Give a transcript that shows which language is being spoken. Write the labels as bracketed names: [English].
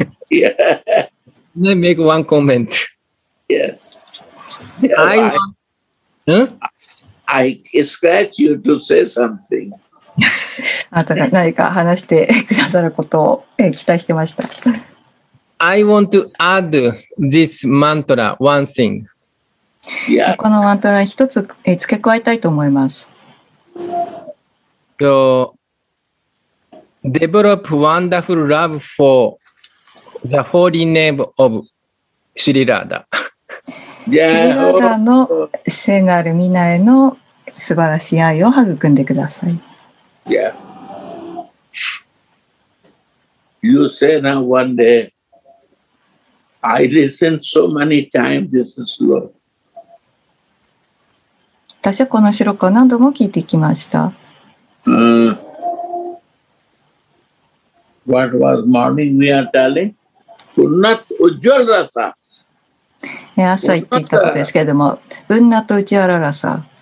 [English] Yeah. Let me make one comment. Yes. Yeah, I want... I expect you to say something. [Japanese] あなたが何か話してくださることを期待してました。 [English] I want to add this mantra one thing. Yeah. [Japanese] このマントラ一つ付け加えたいと思います。 [English] So, develop wonderful love for the holy name of シリラーダ。 [Japanese] シリラダの聖なる名前の素晴らしい愛を育んでください。 [English] Yeah. You say now one day, I listen so many times this is Lord. [Japanese] 私はこの白子を何度も聞いてきました。 [English] What was morning we are telling? Punat Ujjwalrasa. [Japanese] 朝言っていたことですけれども、ウンナとウジャララサ。